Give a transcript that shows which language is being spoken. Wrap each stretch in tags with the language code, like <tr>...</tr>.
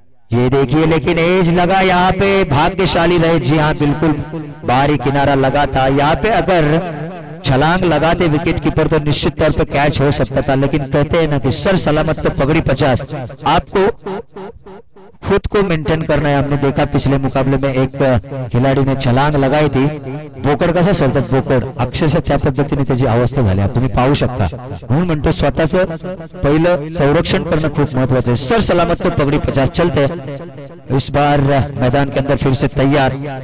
<hi>ये देखिए लेकिन एज लगा यहाँ पे, भाग्यशाली रहे, जी हाँ बिल्कुल बाहरी किनारा लगा था यहाँ पे, अगर छलांग लगाते विकेट कीपर तो निश्चित तौर पर कैच हो सकता था, लेकिन कहते हैं ना कि सर सलामत तो पगड़ी 50। आपको खुद को मेंटेन करना है, हमने देखा पिछले मुकाबले में एक खिलाड़ी ने छलांग लगाई थी,</hi> <mr>बोकड़ कसा सोलत बोकड़ अक्षरशः त्या पद्धतीने त्याची अवस्था झाली आहे, तुम्ही पाहू शकता। म्हणून म्हणतो स्वतःच पहिलं संरक्षण करणं खूप महत्वाचं आहे।</mr> <hi>सर सलामत तो पगड़ी 50 चलते, इस बार मैदान के अंदर फिर से तैयार।</hi>